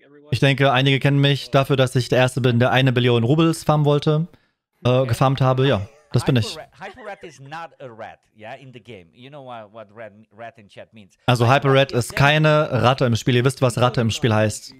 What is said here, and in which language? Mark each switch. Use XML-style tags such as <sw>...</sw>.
<de>Ich denke, einige kennen mich dafür, dass ich der Erste bin, der 1 Billion Rubles farmen wollte. Gefarmt habe, ja. Das bin ich.</de> <en>Hyper-Rat is not a rat, yeah, in the game. You know what rat in chat means.</en> <de>Also Hyper-Rat ist keine Ratte im Spiel. Ihr wisst, was Ratte im Spiel heißt.</de>